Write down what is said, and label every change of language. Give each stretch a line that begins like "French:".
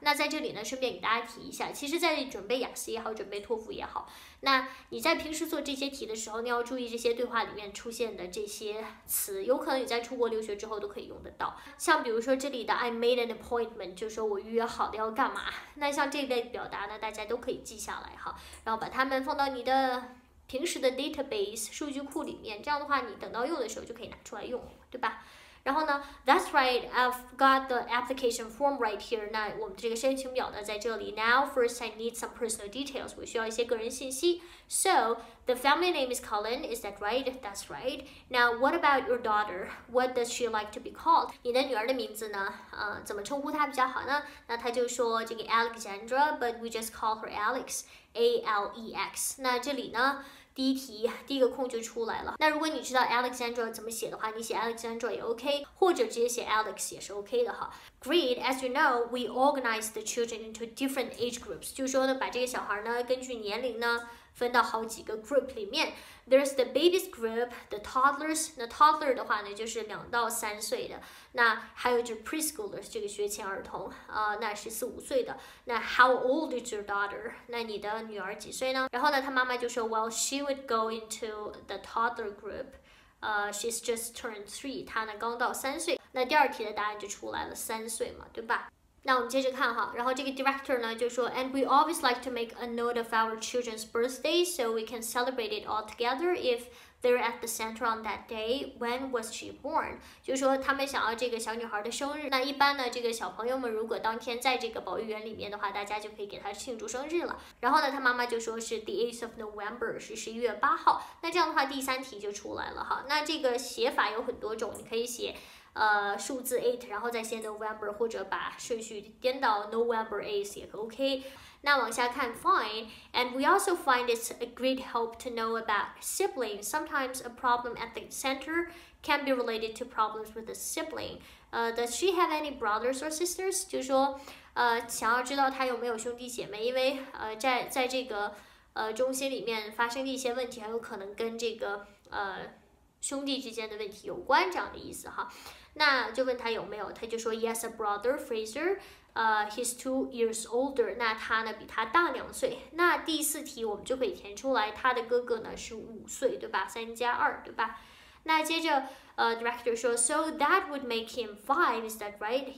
Chinese: 那在这里呢顺便给大家提一下，其实在准备雅思也好准备托福也好，那你在平时做这些题的时候你要注意这些对话里面出现的这些词，有可能你在出国留学之后都可以用得到，像比如说这里的
English: I made an appointment，
Chinese: 就是说我预约好的要干嘛，那像这类表达呢大家都可以记下来哈，然后把它们放到你的平时的 database 数据库里面，这样的话你等到用的时候就可以拿出来用，对吧。然后呢
English: That's right, I've got the application form right here.
Chinese: 那我们这个申请表呢在这里。
English: Now, first I need some personal details.
Chinese: 我需要一些个人信息。
English: So, the family name is Colin, is that right? That's right. Now, what about your daughter? What does she like to be called?
Chinese: 你的女儿的名字呢怎么称呼她比较好呢？那她就说这个
English: Alexandra, but we just call her Alex, A-L-E-X.
Chinese: 那这里呢第一题第一个空就出来了。那如果你知道 Alexandra 怎么写的话，你写 Alexandra 也 OK， 或者直接写 Alex 也是 OK 的哈。
English: Great, as you know, we organize the children into different age groups，
Chinese: 就是说呢把这个小孩呢根据年龄呢分到好几个 group 里面。
English: There's the babies group, the toddlers，
Chinese: 那 toddler 的话呢就是两到三岁的，那还有就是 preschoolers， 这个学前儿童那是四五岁的。那
English: how old is your daughter，
Chinese: 那你的女儿几岁呢？然后呢她妈妈就说
English: well she would go into the toddler group she's just turned 3，
Chinese: 她呢刚到三岁。那第二题的答案就出来了，三岁嘛对吧。那我们接着看哈，然后这个 director 呢就说
English: And we always like to make a note of our children's birthday so we can celebrate it all together if they're at the center on that day. When was she born?
Chinese: 就是说他们想要这个小女孩的生日，那一般呢这个小朋友们如果当天在这个保育园里面的话大家就可以给她庆祝生日了。然后呢她妈妈就说是
English: the 8th of November，
Chinese: 是11月8号。那这样的话第三题就出来了哈。那这个写法有很多种，你可以写数字 8 然后再写 November， 或者把顺序颠倒 November 8 也 OK。那往下看
English: Fine， And we also find it's a great help to know about siblings. Sometimes a problem at the center can be related to problems with a sibling. Does she have any brothers or sisters?
Chinese: 就是说想要知道她有没有兄弟姐妹，因为在这个中心里面发生的一些问题还有可能跟这个兄弟之间的问题有关，这样的意思哈。那就问他有没有，他就说
English: Yes, a brother, Fraser, he's 2 years older.
Chinese: 那他呢比他大两岁。那第四题我们就可以填出来，他的哥哥呢是5岁，对吧？ 3+2，对吧？那接着
English: director 说 So that would make him 5, is that right?